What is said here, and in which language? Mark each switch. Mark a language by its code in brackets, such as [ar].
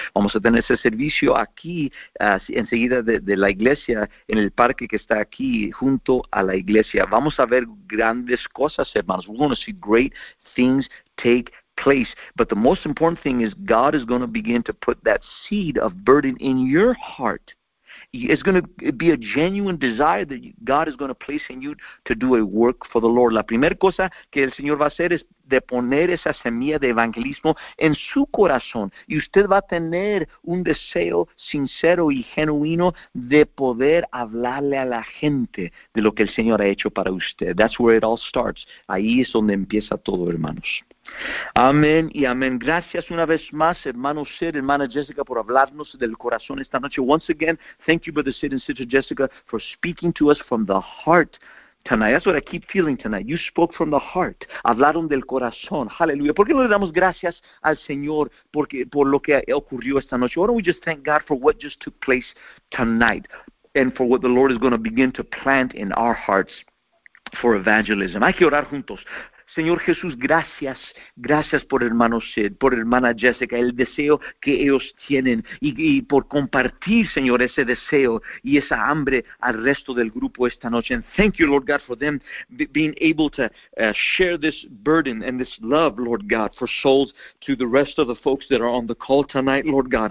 [es] Vamos a tener ese servicio aquí, enseguida de la iglesia, en el parque que está aquí junto a la iglesia. Vamos a ver grandes cosas, hermanos. [en] We're going to see great things take place. But the most important thing is God is going to begin to put that seed of burden in your heart. It's going to be a genuine desire that God is going to place in you to do a work for the Lord. [es] La primera cosa que el Señor va a hacer es de poner esa semilla de evangelismo en su corazón. Y usted va a tener un deseo sincero y genuino de poder hablarle a la gente de lo que el Señor ha hecho para usted. [en] That's where it all starts. [es] Ahí es donde empieza todo, hermanos. Amén y amén. Gracias una vez más, hermano Sid, hermana Jessica, por hablarnos del corazón esta noche. [en] Once again, thank you, Brother Sid and Sister Jessica, for speaking to us from the heart tonight. That's what I keep feeling tonight. You spoke from the heart. [es] Hablaron del corazón. [en] Hallelujah. [es] ¿Por qué no le damos gracias al Señor por lo que ocurrió esta noche? [en] Why don't we just thank God for what just took place tonight and for what the Lord is going to begin to plant in our hearts for evangelism? [es] Hay que orar juntos. Señor Jesús, gracias, gracias por hermano Sid, por hermana Jessica, el deseo que ellos tienen y por compartir, Señor, ese deseo y esa hambre al resto del grupo esta noche. [en] And thank you, Lord God, for them being able to share this burden and this love, Lord God, for souls to the rest of the folks that are on the call tonight, Lord God.